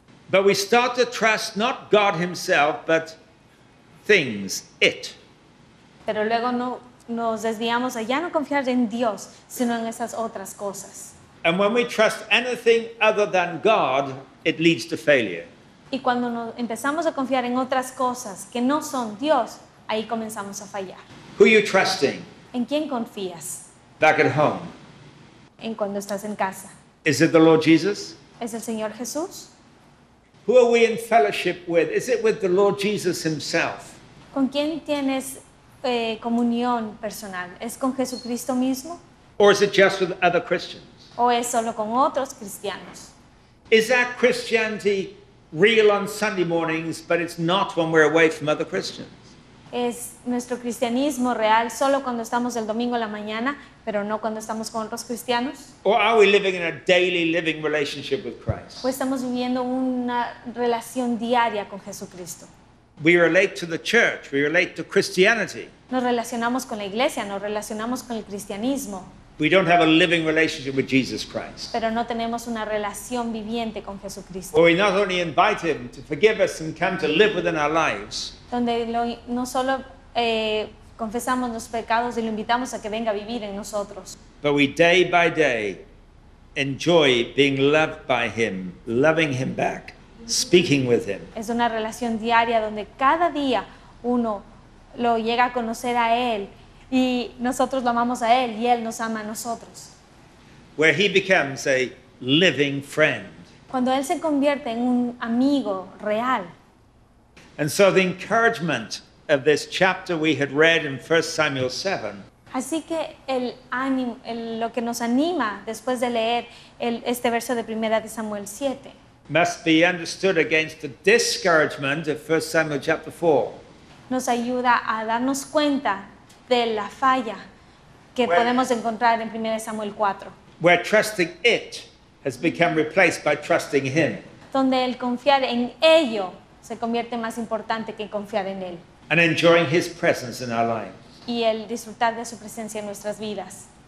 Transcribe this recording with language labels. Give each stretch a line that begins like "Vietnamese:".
English: But we start to trust not God Himself, but things, it.
Spanish: Pero luego no nos desviamos a ya no confiar en Dios, sino en esas otras cosas.
English: And when we trust anything other than God, it leads to failure.
Spanish: Y cuando nos empezamos a confiar en otras cosas que no son Dios, ahí comenzamos a fallar.
English: Who are you trusting?
Spanish: ¿En quién confías?
English: Back at home.
Spanish: En cuando estás en casa.
English: Is it the Lord Jesus?
Spanish: ¿Es el Señor Jesús?
English: Who are we in fellowship with? Is it with the Lord Jesus Himself?
Spanish: ¿Con quién tienes comunión personal? ¿Es con Jesucristo mismo?
English: Or is it just with other Christians?
Spanish: ¿O es solo con otros cristianos?
English: Is that Christianity real on Sunday mornings, but it's not when we're away from other Christians?
Spanish: ¿Es nuestro cristianismo real solo cuando estamos el domingo a la mañana, pero no cuando estamos con otros cristianos?
English: Or are we living in a daily living relationship with Christ?
Spanish: ¿O estamos viviendo una relación diaria con Jesucristo?
English: We relate to the church, we relate to Christianity.
Spanish: Nos relacionamos con la iglesia, nos relacionamos con el cristianismo.
English: We don't have a living relationship with Jesus Christ.
Spanish: Pero no tenemos una relación viviente con Jesucristo.
English: Or we not only invite Him to forgive us and come to live within our lives.
Spanish: Donde no solo confesamos los pecados y lo invitamos a que venga a vivir en nosotros.
English: But we day by day enjoy being loved by Him, loving Him back, speaking with Him.
Spanish: Es una relación diaria donde cada día uno lo llega a conocer a Él y nosotros lo amamos a Él y Él nos ama a nosotros.
English: Where He becomes a living friend.
Spanish: Cuando Él se convierte en un amigo real.
English: And so the encouragement of this chapter we had read in 1 Samuel 7.
Spanish: Así que el ánimo, lo que nos anima después de leer este verso de Primera de Samuel 7.
English: Must be understood against the discouragement of 1 Samuel chapter 4.
Spanish: Nos ayuda a darnos cuenta de la falla que podemos encontrar en Primera de Samuel 4.
English: Where trusting it has become replaced by trusting Him.
Spanish: Donde el confiar en ello se convierte más importante que confiar en Él.
English: And enjoying His presence in our lives.
Spanish: Y el disfrutar de su presencia en nuestras vidas.